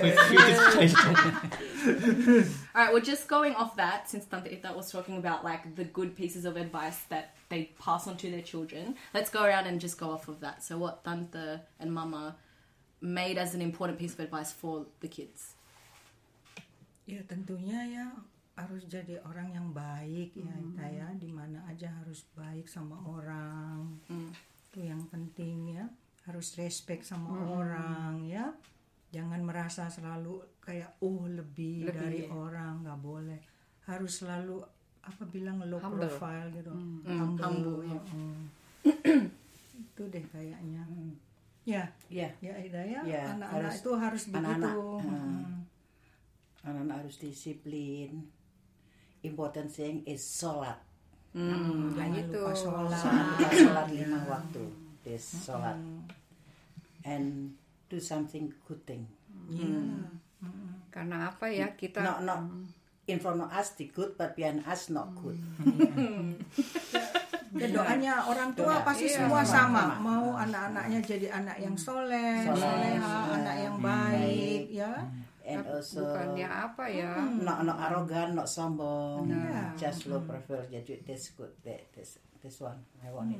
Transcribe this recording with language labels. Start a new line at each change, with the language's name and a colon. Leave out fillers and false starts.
English: Alright, well, just going off that, since Tante Ita was talking about like the good pieces of advice that they pass on to their children, let's go around and just go off of that. So what Tante and Mama made as an important piece of advice for the kids?
Indonesian: Ya, tentunya ya, harus jadi orang yang baik ya, Ita ya. Dimana aja harus baik sama orang. Itu yang penting ya. Harus respect sama orang ya. Jangan merasa selalu kayak lebih dari orang, nggak boleh. Harus selalu apa bilang low humble. Profile gitu. Humble. Ya. Itu deh kayaknya. Anak-anak harus, itu harus begitu. Anak-anak harus disiplin.
English: Important thing is sholat.
Indonesian: Jangan lupa sholat. Sholat lima waktu.
English: Is sholat. And do something good thing.
Indonesian: Karena apa ya, kita
English: not in front of us the good, but behind us not good.
Indonesian: Doanya orang tua pasti semua sama. Mau anak-anaknya jadi anak yang soleh, anak yang baik, ya.
English: And also
Indonesian: bukannya apa ya?
English: Not arrogant, not sombong. Just low profile.
Indonesian: Jadi
English: that's good. That's one. I want it.